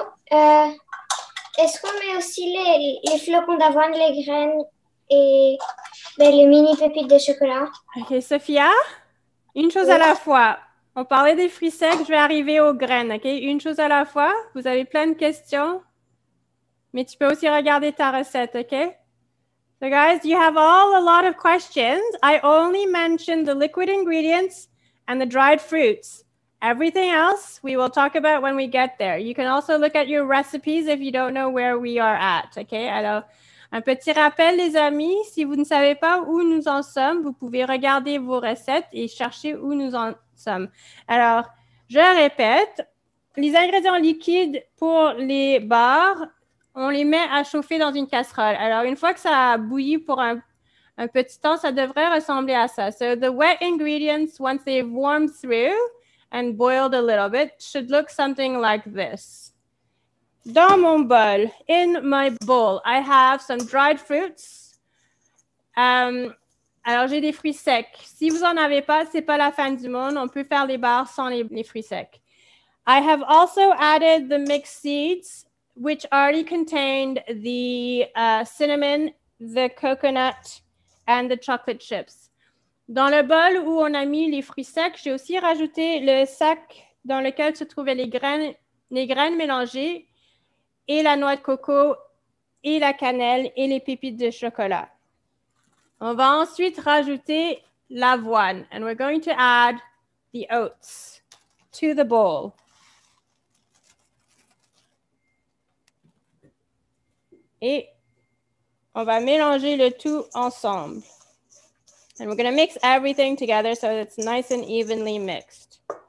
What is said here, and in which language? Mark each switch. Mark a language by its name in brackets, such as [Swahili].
[French] Est-ce qu'on met aussi les flocons d'avoine, les graines et les mini pépites de chocolat? OK, Sophia? Une chose à la fois. On parlait des fruits secs, je vais arriver aux graines, OK? Une chose à la fois. Vous avez plein de questions. Mais tu peux aussi regarder ta recette, OK? [English] So guys, you have all a lot of questions. I only mentioned the liquid ingredients and the dried fruits. Everything else, we will talk about when we get there. You can also look at your recipes if you don't know where we are at, OK? [French] Alors, un petit rappel, les amis, si vous ne savez pas où nous en sommes, vous pouvez regarder vos recettes et chercher où nous en sommes. Alors, je répète, les ingrédients liquides pour les bars, on les met à chauffer dans une casserole. Alors, une fois que ça a bouilli pour un petit temps, ça devrait ressembler à ça. [English] So, the wet ingredients, once they've warmed through and boiled a little bit, should look something like this. [French] Dans mon bol, [English] in my bowl, I have some dried fruits. [French] Alors, j'ai des fruits secs. Si vous n'en avez pas, ce n'est pas la fin du monde. On peut faire les bars sans les fruits secs. [English] I have also added the mixed seeds, which already contained the cinnamon, the coconut, and the chocolate chips. [French] Dans le bol où on a mis les fruits secs, j'ai aussi rajouté le sac dans lequel se trouvaient les graines mélangées, et la noix de coco, et la cannelle, et les pépites de chocolat. On va ensuite rajouter l'avoine. [English] And we're going to add the oats to the bowl. [French] Et on va mélanger le tout ensemble. [English] And we're going to mix everything together so it's nice and evenly mixed.